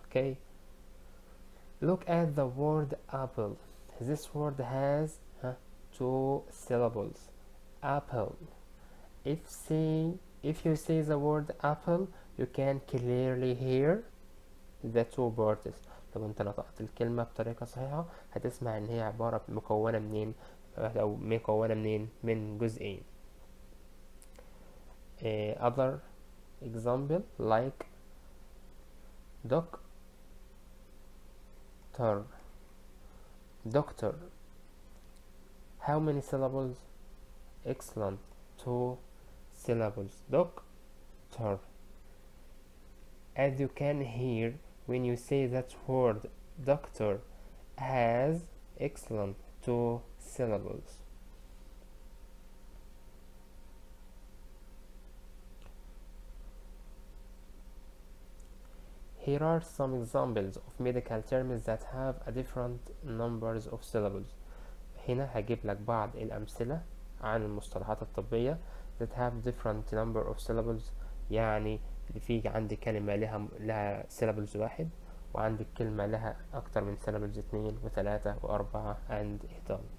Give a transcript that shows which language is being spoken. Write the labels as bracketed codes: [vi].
[en] Okay, look at the word apple. This word has two syllables, apple. If you say the word apple, you can clearly hear the two words. [ar] لو انت نطقت الكلمة بطريقة صحيحة هتسمع ان هي عبارة مكونة منين او مكونة منين من جزئين. [en] Other example like doctor. How many syllables? Excellent. Two syllables. Doctor. As you can hear, when you say that word, doctor has excellent two syllables. Here are some examples of medical terms that have a different numbers of syllables. [ar] هنا هجيب لك بعض الأمثلة عن المصطلحات الطبية [en] that have different number of syllables. [ar] يعني في عندي كلمة لها syllables واحد وعندي كلمة لها أكتر من syllables اثنين وثلاثة وأربعة and إهطال.